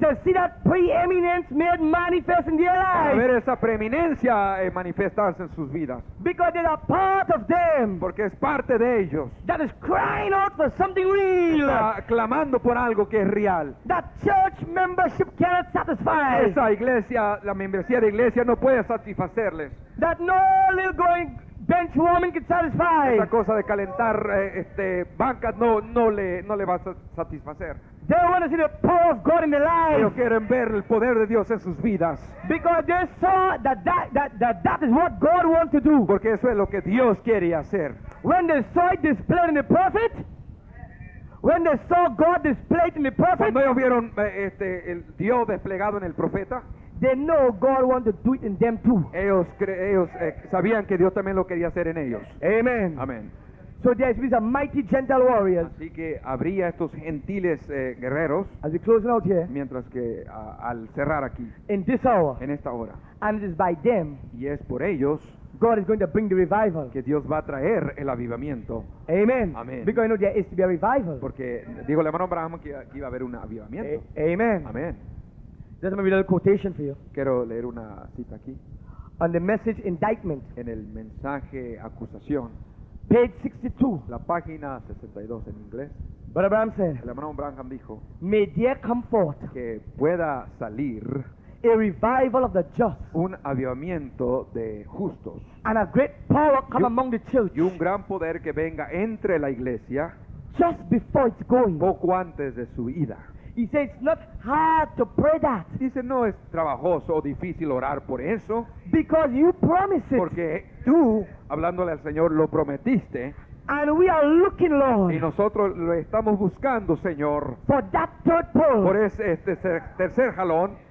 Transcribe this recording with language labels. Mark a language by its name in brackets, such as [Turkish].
[English] To see that preeminence made manifest in their lives. [Spanish] A ver esa preeminencia manifestarse en sus vidas. [English] Because they're a part of them. [Spanish] Porque es parte de ellos. [English] That is crying out for something real. [Spanish] Está clamando por algo que es real. [English] That church membership cannot satisfy. [Spanish] Esa iglesia, la membresía de iglesia no puede satisfacerles. [English] That no little going bench woman can satisfy. [Spanish] Esa cosa de calentar bancas no le va a satisfacer. [English] They want to see the power of God in their lives. [Spanish] Ellos quieren ver el poder de Dios en sus vidas. [English] Because they saw that is what God wants to do. [Spanish] Porque eso es lo que Dios quiere hacer. [English] When they saw it displayed in the prophet. When they saw God displayed in the prophet. [Spanish] Cuando ellos vieron el Dios desplegado en el profeta. [English] They know God wanted to do it in them too. [Spanish] Ellos sabían que Dios también lo quería hacer en ellos. [English] Amen. [Spanish] Amen. [English] So there is these mighty gentle warriors. [Spanish] Así que habría estos gentiles guerreros. [English] As we close out here. [Spanish] Mientras que al cerrar aquí. [English] In this hour. [Spanish] En esta hora. [English] And it is by them. [Spanish] Y es por ellos. [English] God is going to bring the revival. [Spanish] Que Dios va a traer el avivamiento. [English] Amen. [Spanish] Amen. [English] Because I know there is to be a revival. [Spanish] Porque dijo el hermano Abraham que aquí iba a haber un avivamiento. [English] Amen. [Spanish] Amen. [English] Let me read a little quotation for you. [Spanish] Quiero leer una cita aquí. [English] On the message indictment. [Spanish] En el mensaje acusación. [English] Page 62. [Spanish] La página 62 en inglés. [English] But Abraham said. [Spanish] El hermano Abraham dijo. [English] May there come forth. [Spanish] Que pueda salir. [English] A revival of the just. [Spanish] Un avivamiento de justos. [English] And a great power come among the church. [Spanish] Y un gran poder que venga entre la iglesia. [English] Just before it's going. [Spanish] Poco antes de su ida. [English] He said it's not hard to pray that. [Spanish] Dice no es trabajoso o difícil orar por eso. [English] Because you promised it. [Spanish] Porque tú, hablándole al Señor, lo prometiste. [English] And we are looking, Lord. [Spanish] Y nosotros lo estamos buscando, Señor. [English] For that third pole. [Spanish] Por este tercer jalón.